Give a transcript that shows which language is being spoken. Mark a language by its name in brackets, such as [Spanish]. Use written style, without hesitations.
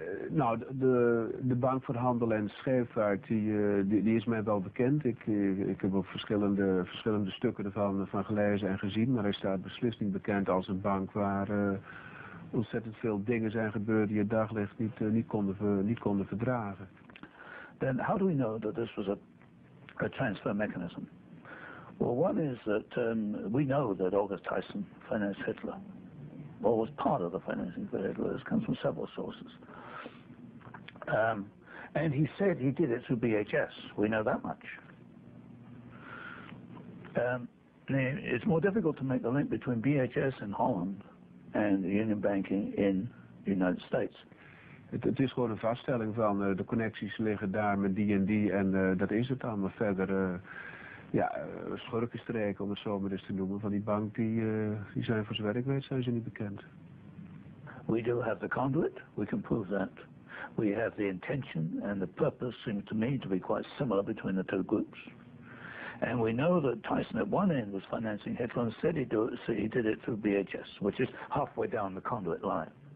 [Dutch] Nou, de Bank voor Handel en Scheepvaart, die is mij wel bekend. Ik heb ook verschillende stukken ervan gelezen en gezien, maar hij staat beslist niet bekend als een bank waar ontzettend veel dingen zijn gebeurd die het daglicht niet konden verdragen. [English] Then how do we know that this was a transfer mechanism? Well, one is that we know that August Thyssen financed Hitler, or was part of the financing for Hitler. This comes from several sources. And he said he did it through BHS. We know that much. It's more difficult to make the link between BHS in Holland and Union Banking in the United States. [Dutch] Het is gewoon een vaststelling van de connecties liggen daar met die en die en dat is het dan. Maar verder schurkenstreken, om het zo maar eens te noemen, van die bank, die zijn voor zover ik weet, zijn ze niet bekend. [English] We do have the conduit, we can prove that. We have the intention and the purpose seems to me to be quite similar between the two groups. And we know that Tyson at one end was financing Hitler and said he did it through BHS, which is halfway down the conduit line.